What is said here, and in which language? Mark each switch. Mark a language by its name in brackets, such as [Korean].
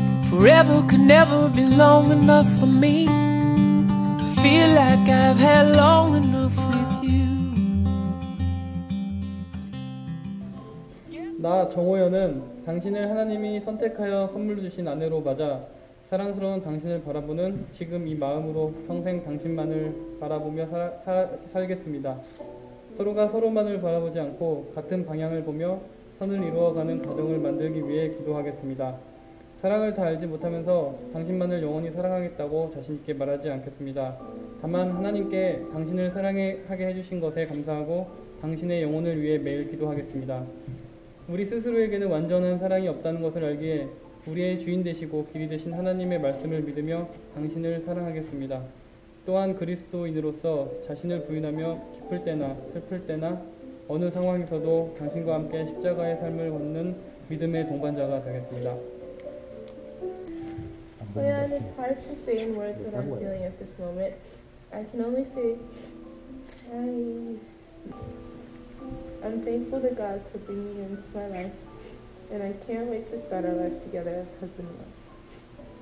[English] Forever could never be long enough for me. Feel like I've had long enough with you. [Korean] 나 정호연은 당신을 하나님이 선택하여 선물 주신 아내로 맞아 사랑스러운 당신을 바라보는 지금 이 마음으로 평생 당신만을 바라보며 살겠습니다. 서로가 서로만을 바라보지 않고 같은 방향을 보며 선을 이루어가는 가정을 만들기 위해 기도하겠습니다. 사랑을 다 알지 못하면서 당신만을 영원히 사랑하겠다고 자신있게 말하지 않겠습니다. 다만 하나님께 당신을 사랑하게 해주신 것에 감사하고 당신의 영혼을 위해 매일 기도하겠습니다. 우리 스스로에게는 완전한 사랑이 없다는 것을 알기에 우리의 주인 되시고 길이 되신 하나님의 말씀을 믿으며 당신을 사랑하겠습니다. 또한 그리스도인으로서 자신을 부인하며 기쁠 때나 슬플 때나 어느 상황에서도 당신과 함께 십자가의 삶을 걷는 믿음의 동반자가 되겠습니다. [English] Well, yeah, and it's hard to say in words what I'm feeling at this moment. I can only say, I'm thankful that God for bringing you into my life, and I can't wait to start our life together as husband and wife.